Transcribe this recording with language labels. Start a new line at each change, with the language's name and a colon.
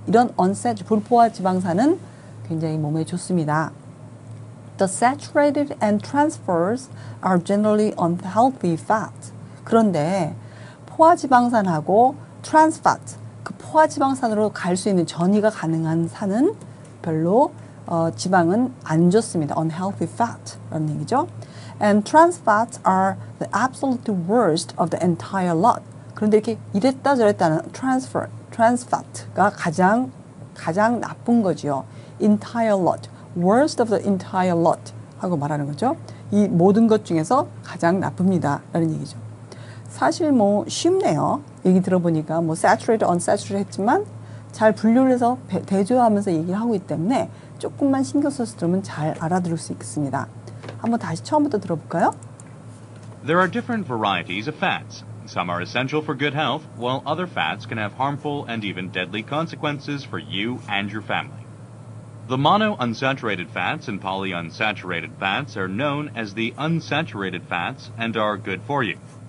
Korean: 이런 불포화 지방산은 굉장히 몸에 좋습니다.
English: The saturated and trans fats are generally unhealthy fats.
Korean: 그런데 포화 지방산하고 trans fat, 그 포화 지방산으로 갈 수 있는 전이가 가능한 산은 별로 지방은 안 좋습니다. unhealthy fat라는 얘기죠.
English: And trans fats are the absolute worst of the entire lot.
Korean: 그런데 이렇게 이랬다 저랬다 하는 trans fat가 가장 나쁜 거죠.
English: entire lot, worst of the entire lot
Korean: 하고 말하는 거죠. 이 모든 것 중에서 가장 나쁩니다 라는 얘기죠. 사실 뭐 쉽네요. 얘기 들어보니까 뭐 saturated, unsaturated 했지만 잘 분류를 해서 대조하면서 얘기를 하고 있기 때문에 조금만 신경 써서 들으면 잘 알아들을 수 있겠습니다. 한번 다시 처음부터 들어볼까요?
English: There are different varieties of fats. Some are essential for good health, while other fats can have harmful and even deadly consequences for you and your family. The monounsaturated fats and polyunsaturated fats are known as the unsaturated fats and are good for you.